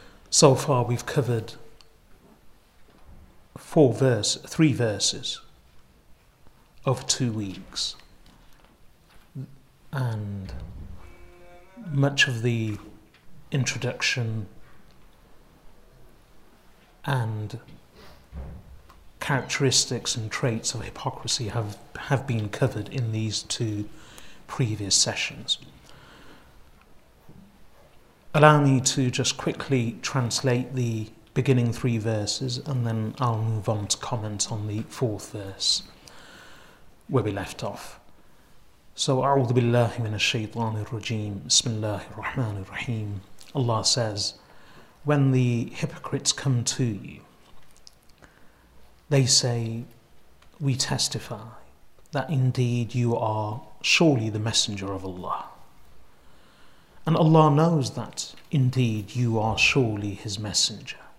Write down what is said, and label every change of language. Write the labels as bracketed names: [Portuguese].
[English] So far we've covered three verses of 2 weeks, and much of the introduction and characteristics and traits of hypocrisy have been covered in these two previous sessions. Allow me to just quickly translate the beginning three verses, and then I'll move on to comment on the fourth verse where we left off. [Arabic] So, أعوذ بالله من الشيطان الرجيم. بسم الله الرحمن الرحيم. [English] Allah says, when the hypocrites come to you, they say, we testify that indeed you are surely the messenger of Allah. And Allah knows that indeed you are surely his messenger.